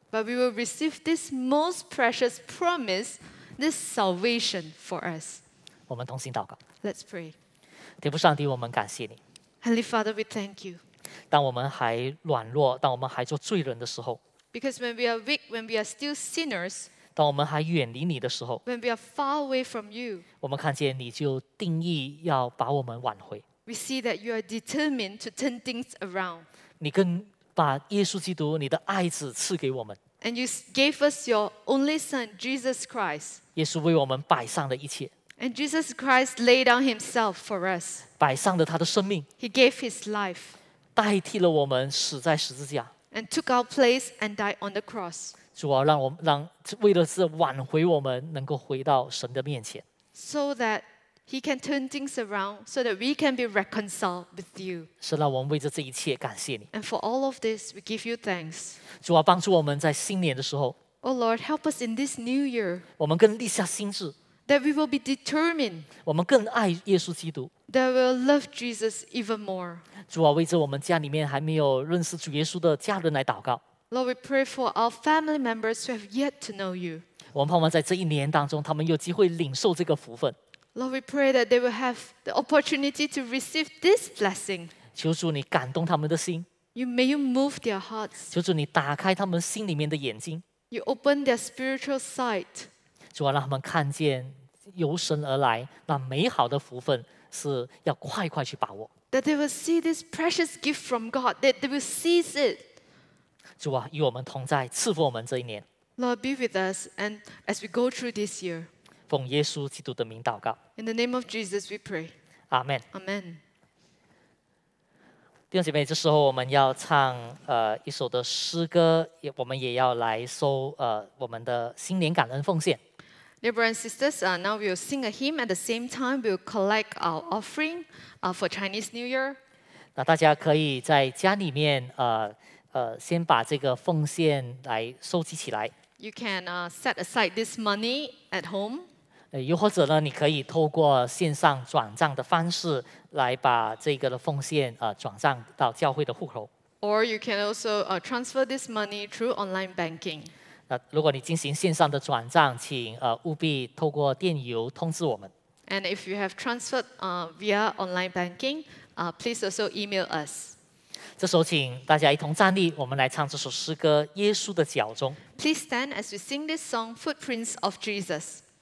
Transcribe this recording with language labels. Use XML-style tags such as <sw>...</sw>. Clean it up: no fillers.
<en>But we will receive this most precious promise, this salvation for us.</en> <zh>我们同心祷告。</zh> <en>Let's pray.</en> <zh>天父上帝，我们感谢你。</zh> <en>Heavenly Father, we thank you.</en> <zh>当我们还软弱，当我们还做罪人的时候，</zh> <en>Because when we are weak, when we are still sinners,</en> <zh>当我们还远离你的时候，</zh> <en>when we are far away from you,</en> <zh>我们看见你就定义要把我们挽回。</zh> <en>We see that you are determined to turn things around.</en> <zh>你更把耶稣基督，你的爱子赐给我们。</zh> <en>And you gave us your only Son, Jesus Christ.</en> <zh>耶稣为我们摆上了一切。</zh> <en>And Jesus Christ laid down Himself for us.</en> <zh>摆上了他的生命。</zh> <en>He gave His life.</en> <zh>代替了我们死在十字架。</zh> <en>And took our place and died on the cross.</en> <zh>主啊, 为了是挽回我们能够回到神的面前。</zh> <en>So that He can turn things around, so that we can be reconciled with you.</en> <zh>是让我们为着这一切感谢你。</zh> <en>And for all of this, we give you thanks.</en> <zh>主啊, 帮助我们在新年的时候。</zh> <en>Oh Lord, help us in this new year.</en> <zh>我们更立下心志。</zh> <en>That we will be determined.</en> <zh>我们更爱耶稣基督。</zh> <en>That we will love Jesus even more.</en> <zh>主啊，为着我们家里面还没有认识主耶稣的家人来祷告。</zh> <en>Lord, we pray for our family members who have yet to know you.</en> <zh>我们盼望在这一年当中，他们有机会领受这个福分。</zh> <en>Lord, we pray that they will have the opportunity to receive this blessing.</en> <zh>求主你感动他们的心。</zh> <en>You may you move their hearts.</en> <zh>求主你打开他们心里面的眼睛。</zh> <en>You open their spiritual sight.</en> <zh>主啊，让他们看见由神而来那美好的福分是要快快去把握。</zh> <en>That they will see this precious gift from God. That they will seize it.</en> <zh>主啊，与我们同在，赐福我们这一年。</zh> <en>Lord, be with us, and as we go through this year.</en> <zh>奉耶稣基督的名祷告。</zh> <en>In the name of Jesus, we pray. Amen. Amen.</en> <zh>弟兄姐妹，这时候我们要唱一首的诗歌，我们也要来收我们的新年感恩奉献。</zh> <en>Dear brothers and sisters, now we'll sing a hymn. At the same time, we'll collect our offering for Chinese New Year.</en> <zh>那大家可以在家里面先把这个奉献来收集起来。</zh> <en>You can set aside this money at home.</en> <zh>又或者呢，你可以透过线上转账的方式来把这个的奉献转账到教会的户口。</zh> <en>Or you can also transfer this money through online banking.</en> <zh>如果你进行线上的转账，请务必透过电邮通知我们。</zh> <en>And if you have transferred via online banking, please also email us.</en> <zh>这时候请大家一同站立，我们来唱这首诗歌《耶稣的脚中》。</zh> <en>Please stand as we sing this song, Footprints of Jesus.</en>